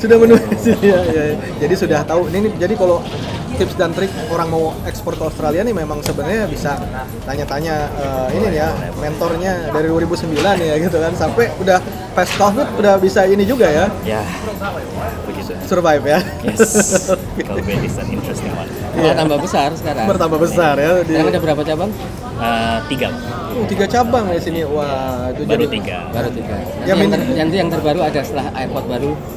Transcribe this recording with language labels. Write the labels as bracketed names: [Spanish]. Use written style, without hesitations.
[Indonesian] Sudah menua di sini. Ya. Jadi sudah tahu ini jadi kalau tips dan trik orang mau ekspor ke Australia nih memang sebenarnya bisa tanya-tanya mentornya dari 2009 ya gitu kan, sampai udah past COVID udah bisa ini juga ya. Ya, begitu. Survive ya. [English] Yes, COVID is an interesting one. [Indonesian] bertambah besar sekarang. Bertambah besar ya. Di... Sekarang ada berapa cabang? Tiga. Tiga cabang di sini. Wah, itu baru jadi... tiga. Baru tiga. Yang terbaru ada setelah airport baru.